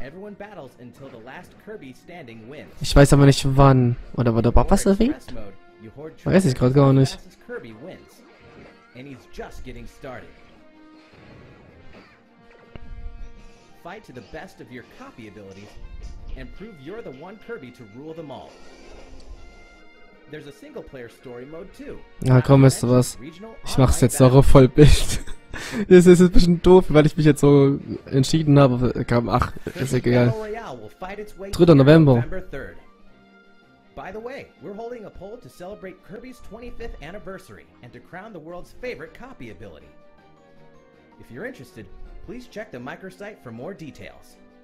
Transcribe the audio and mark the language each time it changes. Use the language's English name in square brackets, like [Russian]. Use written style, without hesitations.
[English] Everyone battles until the last Kirby standing wins. [German] Ich weiß aber nicht wann oder wurde überhaupt was erwähnt? Weiß ich gerade gar nicht. [English] Kirby wins. And he's just getting started. Fight to the best of your copy abilities and prove you're the one Kirby to rule them all. There's a single player story mode too. [German] Na komm, weißt du was? Ich mach's jetzt auch voll Bild. Das ist ein bisschen doof, weil ich mich jetzt so entschieden habe. Ach, ist egal. 3. November. [English] By the way, we're holding a poll to celebrate Kirby's 25th anniversary and to crown the world's favorite copy ability. If you're interested, please check the microsite for more details.